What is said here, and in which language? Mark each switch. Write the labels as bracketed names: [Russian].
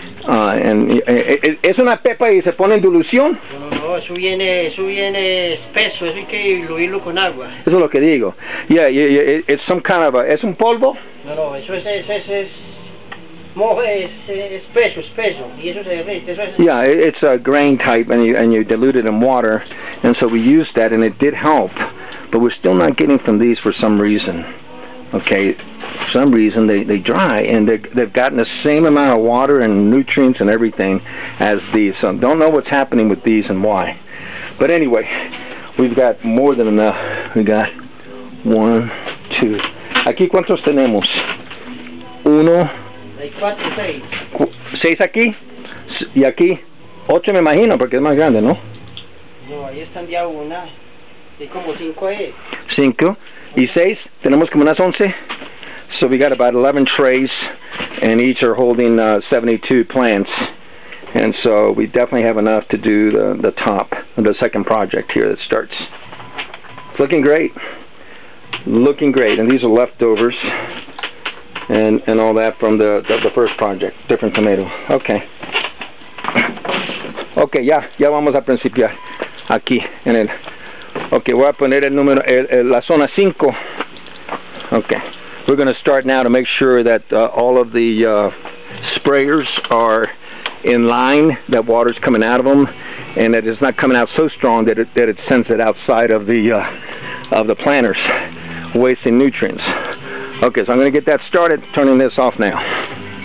[Spanish] ¿Es una pepa y se pone en dilución? No, eso viene espeso, así que diluirlo con agua. Eso es lo que digo. [English] Yeah, it's some kind of a, [Spanish] ¿es un polvo? No, eso es espeso, y eso se derrite, eso es... [English] Yeah, it's a grain type, and you dilute it in water, and so we used that, and it did help, but we're still not getting from these for some reason. Okay, for some reason they dry, and they've gotten the same amount of water and nutrients and everything as these. So don't know what's happening with these and why. But anyway, we've got more than enough. We got 1, 2. [Spanish] Aquí cuántos tenemos? Uno. Cuatro, seis. Seis aquí. Y aquí. Ocho me imagino, porque es más grande, ¿no? No, ahí están ya una. Y como cinco ahí. Cinco. Y seis, tenemos como unas once. [English] So we got about 11 trays, and each are holding 72 plants. And so we definitely have enough to do the top of the second project here that starts. It's looking great. Looking great. And these are leftovers and all that from the first project, different tomato. Okay. [Spanish] Okay, ya vamos a principiar aquí en el... Okay, voy a poner el número, la zona 5. [English] Okay, we're going to start now to make sure that all of the sprayers are in line, that water's coming out of them, and that it's not coming out so strong that it sends it outside of the planters, wasting nutrients. Okay, so I'm going to get that started, turning this off now.